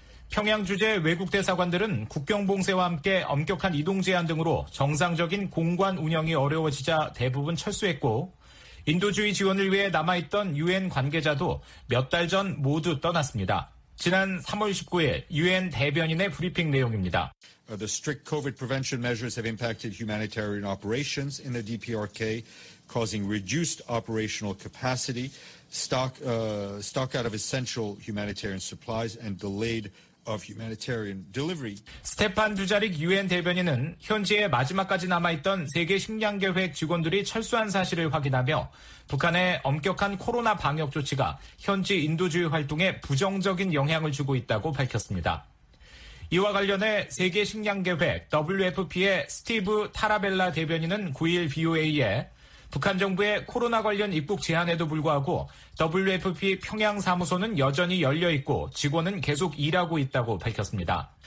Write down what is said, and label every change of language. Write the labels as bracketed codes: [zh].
[ko] 평양 주재 외국 대사관들은 국경 봉쇄와 함께 엄격한 이동 제한 등으로 정상적인 공관 운영이 어려워지자 대부분 철수했고 인도주의 지원을 위해 남아있던 유엔 관계자도 몇 달 전 모두 떠났습니다. 지난 3월 19일 유엔 대변인의 브리핑 내용입니다. [en] The strict COVID prevention measures have impacted humanitarian operations in the DPRK, causing reduced operational capacity, stock out of essential humanitarian supplies and delayed of humanitarian delivery. [ko] 스테판 두자릭 유엔 대변인은 현지에 마지막까지 남아있던 세계 식량 계획 직원들이 철수한 사실을 확인하며 북한의 엄격한 코로나 방역 조치가 현지 인도주의 활동에 부정적인 영향을 주고 있다고 밝혔습니다. 이와 관련해 세계 식량 계획 WFP의 스티브 타라벨라 대변인은 9일 VOA에 북한 정부의 코로나 관련 입국 제한에도 불구하고 WFP 평양 사무소는 여전히 열려있고 직원은 계속 일하고 있다고 밝혔습니다.